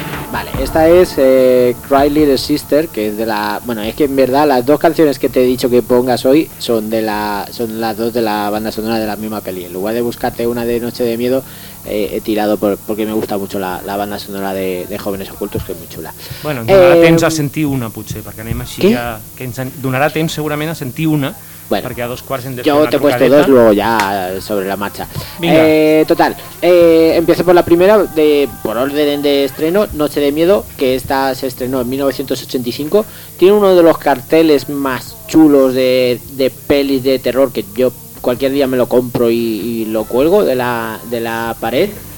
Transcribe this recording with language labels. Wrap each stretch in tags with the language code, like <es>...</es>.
<es>Vale, esta es Cry Little Sister, que es de la... Bueno, es que en verdad las dos canciones que te he dicho que pongas hoy son las dos de la banda sonora de la misma peli. En lugar de buscarte una de Noche de Miedo, he tirado porque me gusta mucho la banda sonora de Jóvenes Ocultos, que es muy chula.</es> <ca>Bueno, ens donarà temps a sentir una, potser, perquè anem així.</ca> <es>¿Qué?</es> <ca>Que ens donarà temps segurament a sentir una.</ca> <es>Bueno,</es> <ca>perquè a dos quarts hem de jo t'he</ca> <es>puesto dos, luego ya sobre la marcha. Total, empiezo por la primera, por orden de estreno, Noche de Miedo, que esta se estrenó en 1985. Tiene uno de los carteles más chulos de pelis de terror, que yo cualquier día me lo compro y lo cuelgo de la pared.</es>